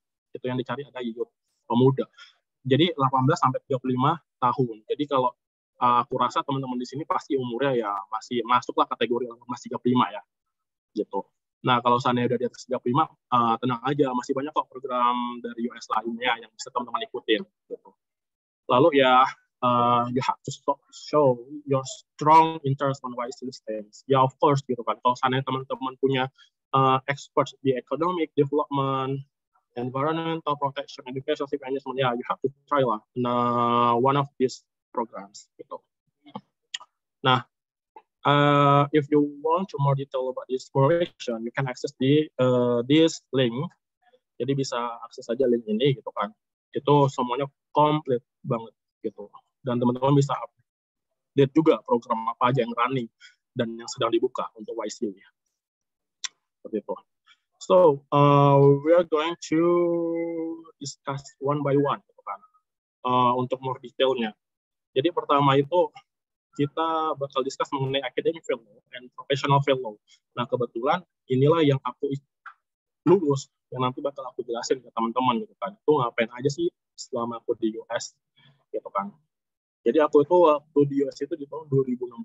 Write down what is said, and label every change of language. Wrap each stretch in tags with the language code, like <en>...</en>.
<id>Itu yang dicari ada youth, pemuda. Jadi 18 sampai 35 tahun. Jadi kalau aku rasa teman-teman di sini pasti umurnya ya masih masuklah kategori masih 35 ya. Gitu. Nah, kalau sananya udah di atas 35, tenang aja, masih banyak kok program dari US lainnya yang bisa teman-teman ikutin gitu. Lalu ya</id> <en>you have to show your strong interest on YC things. Ya of course gitu kan.</en> <id>Kalau sananya teman-teman punya</id> <en>expert di economic development, environmental protection, education, civic engagement, ya you have to try lah. Nah, one of these programs gitu. Nah, if you want to more detail about this information, you can access the this link.</en> <id>Jadi bisa akses aja link ini gitu kan. Itu semuanya complete banget gitu. Dan teman-teman bisa update juga program apa aja yang running dan yang sedang dibuka untuk YC ya. Seperti itu.</id> <en>So, we are going to discuss one by one gitu kan. Untuk more detailnya.</en> <id>Jadi pertama itu kita bakal discuss mengenai</id> <en>academic fellow and professional fellow.</en> <id>Nah, kebetulan inilah yang aku lulus, yang nanti bakal aku jelasin ke teman-teman gitu kan. Itu ngapain aja sih selama aku di US gitu kan. Jadi aku itu waktu di US itu di tahun 2016.</id>